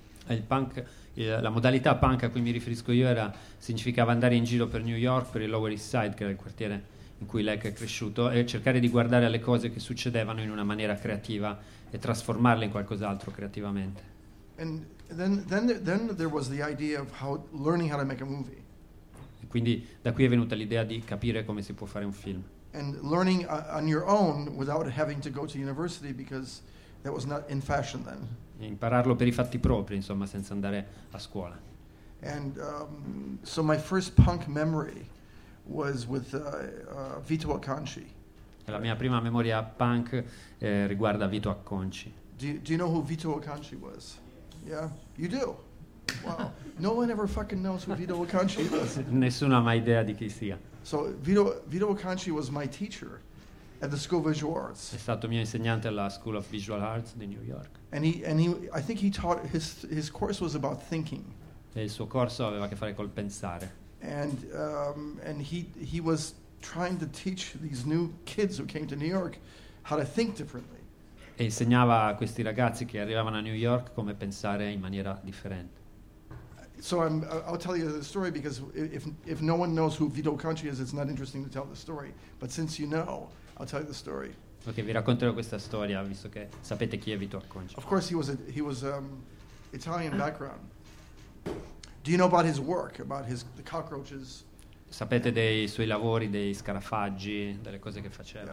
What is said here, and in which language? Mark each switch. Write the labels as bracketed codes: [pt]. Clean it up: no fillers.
[it] Il punk, la modalità punk a cui mi riferisco io era, significava andare in giro per New York, per il Lower East Side, che era il quartiere in cui Lech è cresciuto, e cercare di guardare alle cose che succedevano in una maniera creativa e trasformarle in qualcos'altro creativamente. [en] And then there was the idea of how learning how to make a movie. [it] E quindi da qui è venuta l'idea di capire come si può fare un film. [en] And learning on your own without having to go to university, because that was not in fashion then. [it] E impararlo per i fatti propri, insomma, senza andare a scuola. [en] And so my first punk memory was with Vito Acconci. [it] La mia prima memoria punk riguarda Vito Acconci. [en] Do you know who Vito Acconci was? Yeah, you do. Wow. No one ever fucking knows who Vito Acconci was. [it] Nessuno ha mai idea di chi sia. [en] So Vito Acconci was my teacher at the School of Visual Arts. [it] È stato mio insegnante alla School of Visual Arts di New York. [en] And he I think he taught his course was about thinking. [it] E il suo corso aveva a che fare col pensare. [en] And he was trying to teach these new kids who came to New York how to think differently. [it] E insegnava a questi ragazzi che arrivavano a New York come pensare in maniera differente. [en] So I'll tell you the story because if no one knows who Vito Conti is, it's not interesting to tell the story. But since you know, I'll tell you the story. [it] Okay, vi racconterò questa storia visto che sapete chi è Vito Conti. [en] Of course, he was Italian background. Do you know about his work, about the cockroaches? [it] Sapete dei suoi lavori, dei scarafaggi, delle cose che faceva.